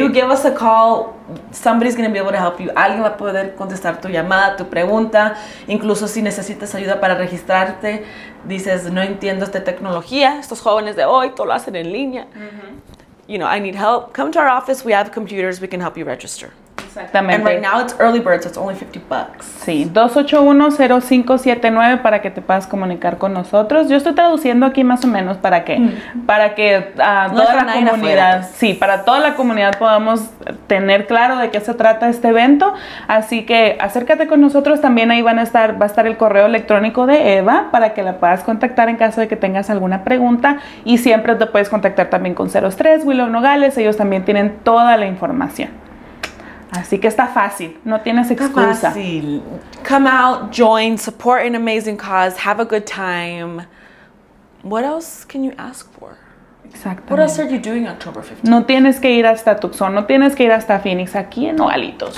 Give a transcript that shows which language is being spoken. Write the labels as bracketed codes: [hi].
[en] You give us a call, somebody's going to be able to help you. [es] Alguien va a poder contestar tu llamada, tu pregunta. Incluso si necesitas ayuda para registrarte, dices, no entiendo esta tecnología, estos jóvenes de hoy todo lo hacen en línea. [en] Mm-hmm. You know, I need help. Come to our office, we have computers, we can help you register. [es] Exactamente. [en] And right now it's early birds, so it's only $50. [es] Sí, 281-0579 para que te puedas comunicar con nosotros. Yo estoy traduciendo aquí más o menos para que toda la comunidad, para toda la comunidad podamos tener claro de qué se trata este evento. Así que acércate con nosotros, también ahí va a estar el correo electrónico de Eva para que la puedas contactar en caso de que tengas alguna pregunta. Y siempre te puedes contactar también con 03, Willow Nogales, ellos también tienen toda la información. Así que está fácil, no tienes excusa. Está fácil. [en] Come out, join, support an amazing cause, have a good time. What else can you ask for? [es] Exacto. [en] What else are you doing October 15th? [es] No tienes que ir hasta Tucson, no tienes que ir hasta Phoenix, aquí en Nogalitos.